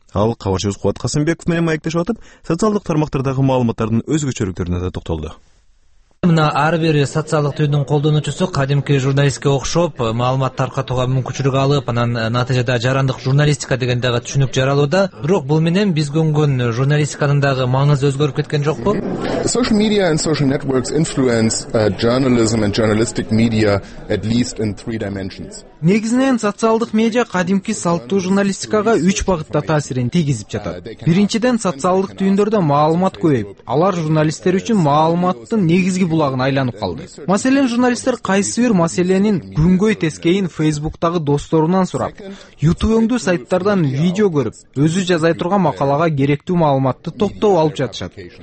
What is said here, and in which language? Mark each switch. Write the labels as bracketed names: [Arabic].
[Kyrgyz] Ал кабарчыбыз Кубат Касымбеков менен маектешип атып, социалдык тармактардагы маалыматтардын өзгөчөлүктөрүнө да токтолду. Мына ар бир социалдык түйүндүн колдонуучусу кадимки журналистке окшоп маалымат таркатууга мүмкүнчүлүк алып, анан натыйжада жарандык журналистика деген дагы түшүнүк жаралууда. Бирок бул менен биз көнгөн журналистикадын дагы маңызы өзгөрүп кеткен жокпу? [English] Social media and social networks influence journalism and journalistic media at least in three dimensions. [Kyrgyz] Негизинен социалдык медиа кадимки салттуу журналистикага 3 багытта таасирин тийгизип жатат. Биринчиден, социалдык түйүндөрдө маалымат көбөйүп, алар журналисттер үчүн маалыматтын негизги булагына айланып калды. Маселен, журналисттер кайсы бир маселенин күнгөй тескейин Facebook'тагы досторунан сурап, YouTube'ндагы сайттардан видео көрүп, өзү жазай турган макалага керектүү маалыматты топтоп алып жатышат.